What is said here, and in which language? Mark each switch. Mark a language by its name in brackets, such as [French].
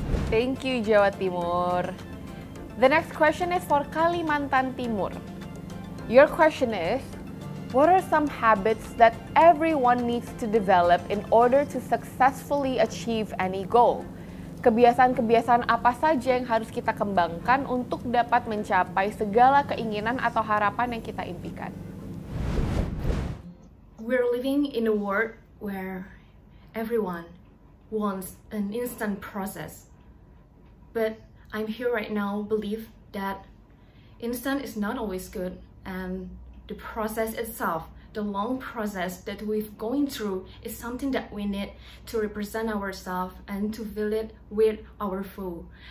[English] Thank you, Jawa Timur. The next question is for Kalimantan Timur. Your question is, what are some habits that everyone needs to develop in order to successfully achieve any goal? [Indonesian] Kebiasaan-kebiasaan apa saja yang harus kita kembangkan untuk dapat mencapai segala keinginan atau harapan yang kita impikan? [English] We're living in a world where everyone wants an instant process. But I'm here right now believe that instant is not always good, and the process itself, the long process that we've going through, is something that we need to represent ourselves and to fill it with our full.